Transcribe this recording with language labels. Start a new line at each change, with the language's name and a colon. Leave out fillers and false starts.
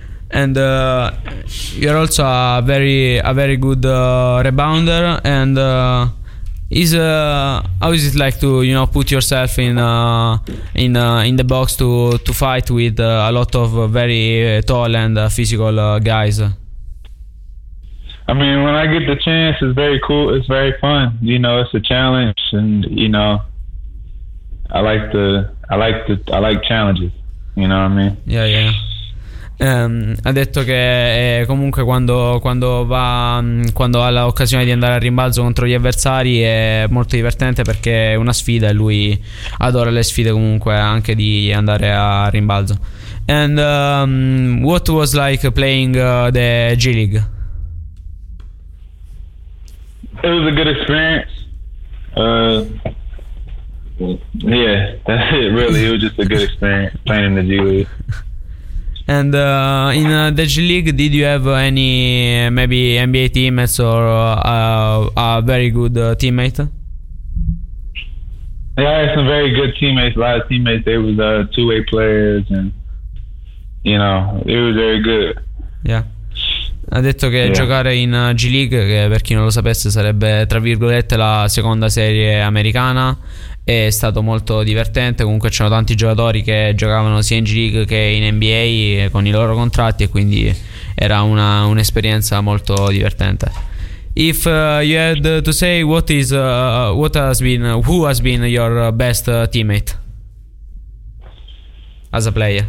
English: And you're also a very good rebounder, and how is it like to, you know, put yourself in the box to fight with a lot of very tall and physical guys? I mean, when I get the chance, it's very cool. It's very fun. You know, it's a challenge, and you know, I like challenges. You know what I mean? Yeah.
Italian: Ha detto che comunque quando ha l'occasione di andare al rimbalzo contro gli avversari è molto divertente, perché è una sfida e lui adora le sfide comunque, anche di andare a rimbalzo.
English: And what was like playing the G League? It was a good experience. Yeah, that's it really. It was just a good experience playing in the G League. And in the G League, did you have any maybe NBA teammates or a very good teammate? Yeah, I had some very good teammates. A lot of teammates. They was two-way players, and you know, it was very good. Yeah.
Italian: Ha detto che giocare in G League, che per chi non lo sapesse sarebbe tra virgolette la seconda serie americana, è stato molto divertente. Comunque c'erano tanti giocatori che giocavano sia in G League che in NBA con i loro contratti, e quindi era un'esperienza molto divertente.
English: If you had to say who has been your best teammate as a player?